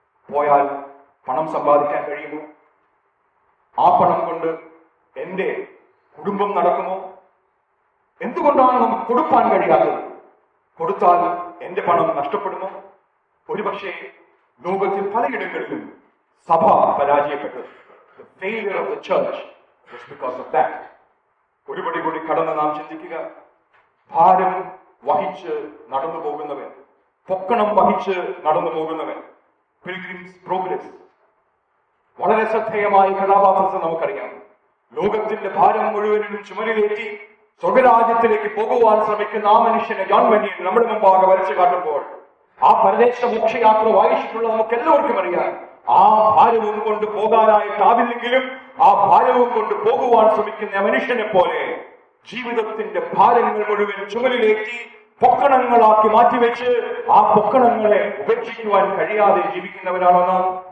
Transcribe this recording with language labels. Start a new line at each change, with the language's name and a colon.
Malayalam: പോയാൽ പണം സമ്പാദിക്കാൻ കഴിയുമോ? ആ പണം കൊണ്ട് എന്റെ കുടുംബം നടക്കുമോ? എന്തുകൊണ്ടാണ് നമുക്ക് കൊടുക്കാൻ കഴിയാത്തത്? കൊടുത്താൽ എന്റെ പണം നഷ്ടപ്പെടുമോ? ഒരുപക്ഷെ ലോകത്തിൽ പലയിടങ്ങളിലും സഭ പരാജയപ്പെട്ടു.
English: The failure of the church is because of that.
Malayalam: ഒരുപടി കൂടി കടന്ന് നാം ചിന്തിക്കുക. ഭാരം വഹിച്ച് നടന്നു പോകുന്നവൻ, പൊക്കണം വഹിച്ച് നടന്നു പോകുന്നവൻ, പിൽഗ്രിംസ് പ്രോഗ്രസ്, വളരെ ശ്രദ്ധേയമായ കഥാപാത്രത്തെ നമുക്കറിയാം. ലോകത്തിന്റെ ഭാരം മുഴുവനും ചുമലിലേറ്റി സ്വർഗരാജ്യത്തിലേക്ക് പോകുവാൻ ശ്രമിക്കുന്ന ആ മനുഷ്യനെ ജോൺ ബണ്യൻ നമ്മുടെ മുമ്പാകെ വരച്ചു കാട്ടുമ്പോൾ, ആ പരദേശ മോക്ഷയാത്ര വായിച്ചിട്ടുള്ള നമുക്ക് എല്ലാവർക്കും അറിയാം, ആ ഭാരവും കൊണ്ട് പോകാനായിട്ടാവില്ലെങ്കിലും ആ ഭാരവും കൊണ്ട് പോകുവാൻ ശ്രമിക്കുന്ന മനുഷ്യനെ പോലെ ജീവിതത്തിന്റെ ഭാരങ്ങൾ മുഴുവൻ ചുമലിലേറ്റി പൊക്കണങ്ങളാക്കി മാറ്റിവെച്ച് ആ പൊക്കണങ്ങളെ ഉപേക്ഷിക്കുവാൻ കഴിയാതെ ജീവിക്കുന്നവരാണെന്ന്.